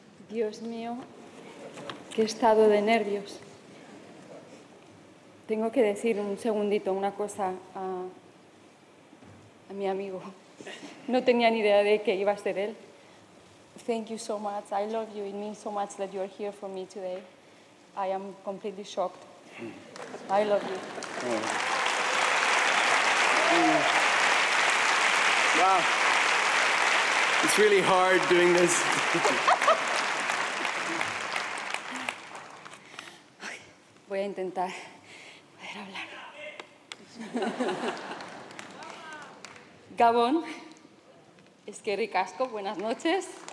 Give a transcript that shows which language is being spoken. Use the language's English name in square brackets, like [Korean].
[Spanish] Dios mío, qué estado de nervios. Tengo que decir un segundito una cosa a mi amigo. No tenía ni idea de que iba a ser él. [English] Thank you so much. I love you. It means so much that you are here for me today. I am completely shocked. I love you. Wow. It's really hard doing this. [Spanish] Voy a intentar poder hablar. Gabón, es que ricasco, buenas noches.